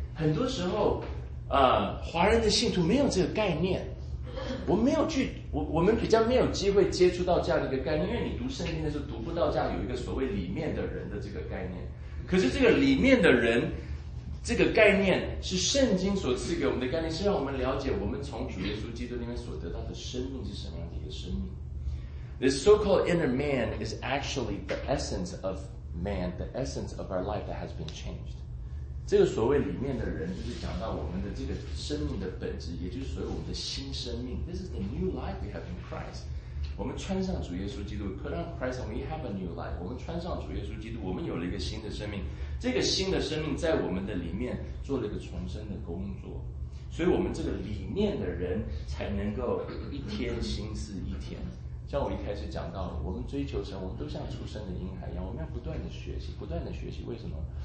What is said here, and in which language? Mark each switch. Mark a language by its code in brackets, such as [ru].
[zh] 很多时候华人的信徒没有这个概念，我们比较没有机会接触到这样的一个概念，因为你读圣经的时候读不到这样有一个所谓里面的人的这个概念。可是这个里面的人这个概念是圣经所赐给我们的概念，是让我们了解我们从主耶稣基督里面所得到的生命是什么样的一个生命。 [en] This so-called inner man is actually the essence of man, the essence of our life that has been changed. [zh] 这个所谓里面的人，就是讲到我们的这个生命的本质，也就是所谓我们的新生命。 [en] This is the new life we have in Christ. [zh] 我们穿上主耶稣基督 [en] ，put on Christ, and we have a new life. [zh] 我们穿上主耶稣基督，我们有了一个新的生命。这个新的生命在我们的里面做了一个重生的工作。所以我们这个里面的人才能够一天心思一天。像我一开始讲到，我们追求神，我们都像出生的婴孩一样，我们要不断的学习，不断的学习。为什么？